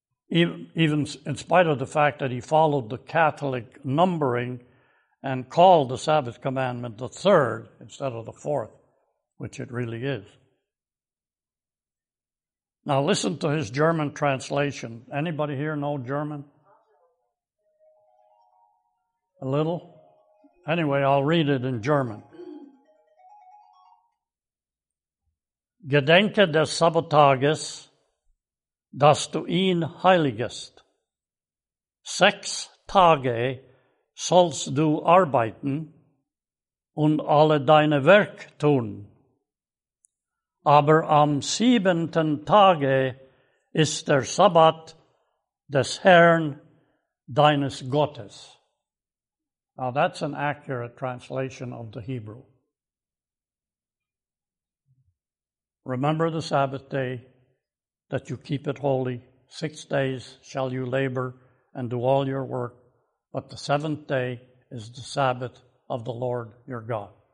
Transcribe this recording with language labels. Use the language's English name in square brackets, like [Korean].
[English] Even in spite of the fact that he followed the Catholic numbering and called the Sabbath commandment the third instead of the fourth, which it really is. Now listen to his German translation. Anybody here know German? A little? Anyway, I'll read it in German. [German] Gedenke des Sabbatages, dass du ihn heiligest. Sechs Tage sollst du arbeiten und alle deine Werk tun. Aber am siebenten Tage ist der Sabbat des Herrn deines Gottes. [English] Now that's an accurate translation of the Hebrew. Remember the Sabbath day, that you keep it holy. 6 days shall you labor and do all your work, but the seventh day is the Sabbath of the Lord your God.